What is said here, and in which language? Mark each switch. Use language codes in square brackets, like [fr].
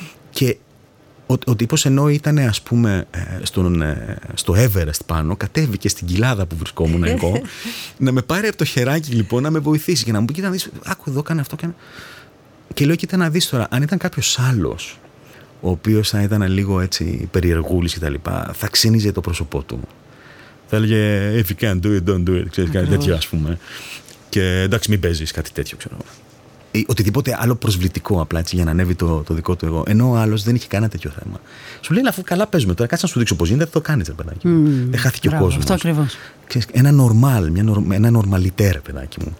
[el] Και ο τύπος, ενώ ήταν, ας πούμε, στο Everest πάνω, κατέβηκε στην κοιλάδα που βρισκόμουν εγώ, να με πάρει από το χεράκι λοιπόν, να με βοηθήσει και να μου πει, κοίτα να δεις, άκου εδώ, κάνε αυτό. Και λέω, κοίτα να δεις τώρα, αν ήταν κάποιος άλλος, ο οποίος θα ήταν λίγο έτσι περιεργούλης και τα λοιπά, θα ξύνιζε το πρόσωπό του. Θα έλεγε, [en] if you can do it, don't do it, [el] ξέρεις, κάτι τέτοιο, ας πούμε. Και εντάξει, μην παίζεις κάτι τέτοιο, ξέρω. Οτιδήποτε άλλο προσβλητικό, απλά έτσι, για να ανέβει το δικό του εγώ. Ενώ ο άλλος δεν είχε κανένα τέτοιο θέμα. Σου λέει, αφού καλά παίζουμε τώρα, κάτσε να σου δείξω πώς γίνεται, θα το κάνεις, ρε παιδάκι μου. Δεν χάθηκε ο κόσμος. Αυτό ακριβώς. Ένα νορμάλ, ένα νορμαλιτέρ, παιδάκι μου.